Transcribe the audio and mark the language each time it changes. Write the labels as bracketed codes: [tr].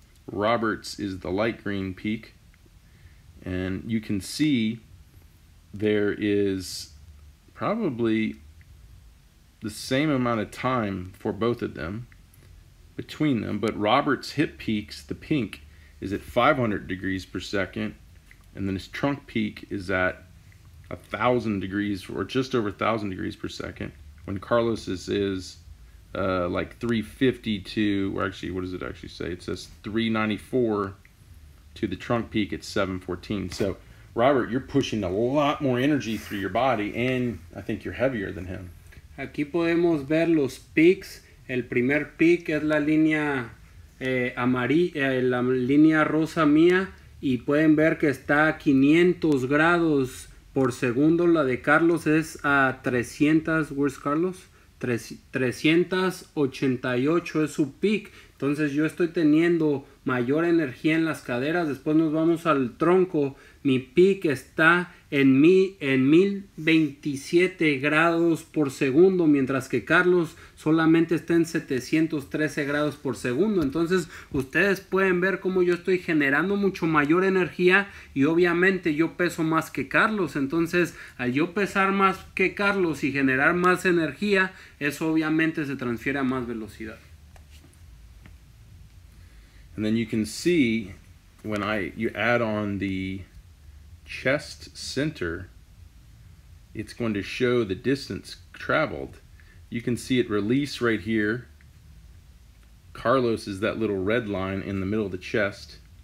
[en] Robert's is the light green peak. And you can see there is probably the same amount of time for both of them between them, but Robert's hip peaks, the pink, is at 500 degrees per second, and then his trunk peak is at 1,000 degrees or just over 1,000 degrees per second, when Carlos's is like 352, or actually, what does it actually say? It says 394 to the trunk peak at 714. So Robert, you're pushing a lot more energy through your body, and I think you're heavier than him. [es] Aquí podemos ver los peaks. El primer peak es la línea la línea rosa mía, y pueden ver que está a 500 grados por segundo. La de Carlos es a 300. [en] Where's Carlos? [es] 388 es su peak. Entonces yo estoy teniendo mayor energía en las caderas. Después nos vamos al tronco. Mi peak está en 1027 grados por segundo, mientras que Carlos solamente está en 713 grados por segundo. Entonces ustedes pueden ver cómo yo estoy generando mucho mayor energía, y obviamente yo peso más que Carlos. Entonces al yo pesar más que Carlos y generar más energía, eso obviamente se transfiere a más velocidad. [en] And then you can see when you add on the chest center, it's going to show the distance traveled. You can see it release right here. Carlos is that little red line in the middle of the chest.